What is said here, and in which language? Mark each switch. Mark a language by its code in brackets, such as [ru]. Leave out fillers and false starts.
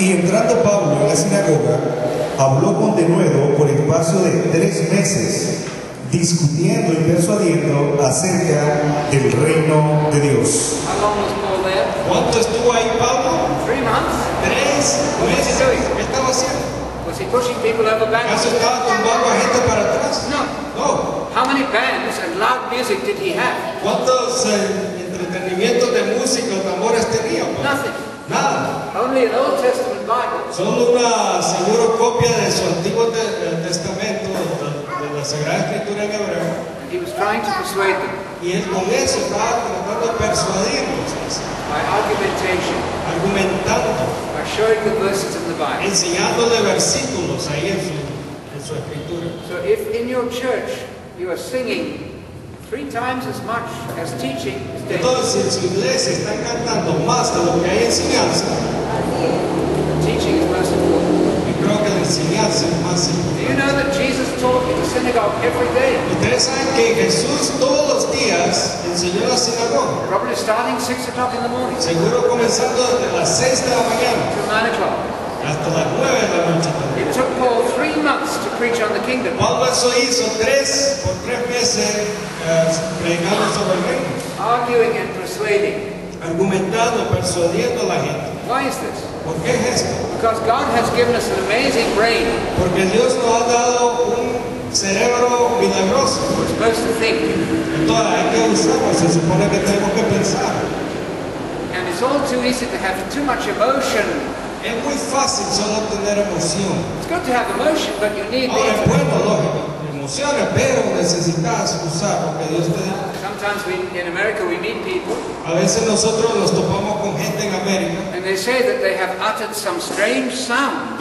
[es] Y entrando Pablo en la sinagoga, habló con denuedo por el espacio de 3 meses, discutiendo y persuadiendo acerca del reino de Dios. ¿Cuánto estuvo ahí Pablo? [en] 3 months. [es] ¿Tres meses? ¿Qué estaba haciendo? [en] backwards? [es] ¿Acaso estaba tumbando a gente para atrás? [en] No. [es] No. [en] How many bands and loud music did he have? [es] ¿Cuántos entretenimientos de música, tambores tenía? [en] Nothing. [es] Nada. [en] Only an Old Testament Bible. [es] Solo una seguro copia de su antiguo testamento de la Sagrada Escritura en hebreo. [en] And he was trying to persuade them. [es] Y él con eso estaba tratando de persuadirlos. [en] By argumentation. [es] Argumentando. [en] Showing the verses in the Bible. [es] Enseñándole versículos ahí en su escritura. [en] So if in your church you are singing 3 times as much as teaching, [es] entonces si en su iglesia están cantando más de lo que hay enseñanza, [en] teaching is most important. [es] Y creo que la enseñanza es más importante. [en] Do you know that Jesus taught in the synagogue every day? [es] ¿Ustedes saben que Jesús todos los días enseñó en la sinagoga? [en] Probably starting 6 o'clock in the morning. [es] Seguro comenzando desde las 6 de la mañana. [en] To 9 o'clock. [es] Hasta las 9 de la noche también. [en] It took Paul 3 months to preach on the kingdom. [es] Pablo eso hizo por tres meses predicando sobre el reino. [en] Arguing and persuading. [es] Argumentando, persuadiendo a la gente. [en] Why is this? [es] ¿Por qué es esto? [en] Because God has given us an amazing brain. [es] Porque Dios nos ha dado un cerebro milagroso. [en] We're supposed to think. [es] Entonces hay que usarlo, se supone que tenemos que pensar. [en] And it's all too easy to have too much emotion. [es] Es muy fácil solo tener emoción. [en] It's good to have emotion, but you need [es] ahora, es bueno, lógico. Emociones, pero necesitas usar lo que Dios te da. [en] Sometimes we, in America we meet people. [es] A veces nosotros nos topamos con gente en América. [en] And they say that they have uttered some strange sounds.